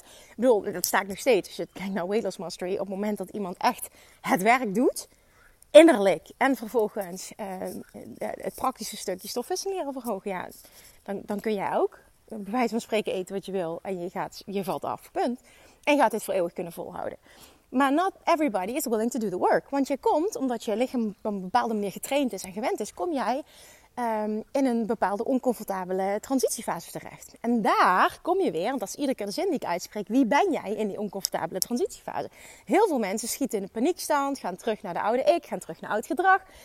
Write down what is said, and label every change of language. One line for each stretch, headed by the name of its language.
Dutch: Ik bedoel, dat sta ik nog steeds. Als je kijkt naar Weight Loss Mastery. Op het moment dat iemand echt het werk doet, innerlijk. En vervolgens het praktische stukje stofwisseling leren verhogen. Ja, dan kun jij ook bij wijze van spreken eten wat je wil. En je valt af. Punt. En je gaat dit voor eeuwig kunnen volhouden. Maar
English: not everybody is willing to do the work.
Dutch: Want je komt, omdat je lichaam op een bepaalde manier getraind is en gewend is, kom jij in een bepaalde oncomfortabele transitiefase terecht. En daar kom je weer, want dat is iedere keer de zin die ik uitspreek, wie ben jij in die oncomfortabele transitiefase? Heel veel mensen schieten in de paniekstand, gaan terug naar de oude ik, gaan terug naar oud gedrag.